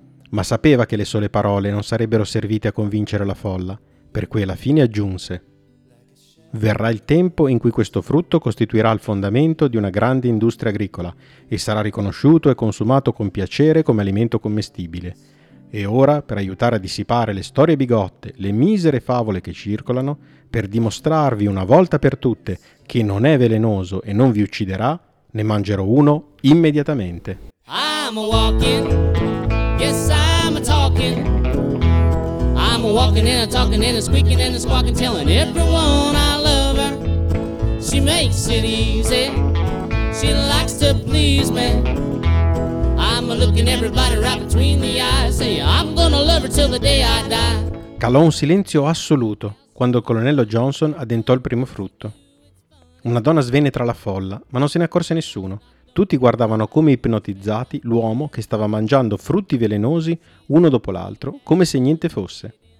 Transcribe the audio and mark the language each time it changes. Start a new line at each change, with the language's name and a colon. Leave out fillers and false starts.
Italian: Ma sapeva che le sole parole non sarebbero servite a convincere la folla, per cui alla fine aggiunse: «Verrà il tempo in cui questo frutto costituirà il fondamento di una grande industria agricola e sarà riconosciuto e consumato con piacere come alimento commestibile. E ora, per aiutare a dissipare le storie bigotte, le misere favole che circolano, per dimostrarvi una volta per tutte che non è velenoso e non vi ucciderà, ne mangerò uno immediatamente».
English: I'm a walking, yes I'm a talking. I'm a walking and a talking and a squeaking and a squawking, telling everyone I love her. She makes it easy, she likes to please me. I'm a looking everybody right between the eyes, say I'm gonna love her till the day I die.
Italian: Calò un silenzio assoluto quando il colonnello Johnson addentò il primo frutto. Una donna svenne tra la folla, ma non se ne accorse nessuno. Tutti guardavano come ipnotizzati l'uomo che stava mangiando frutti velenosi uno dopo l'altro, come se niente fosse.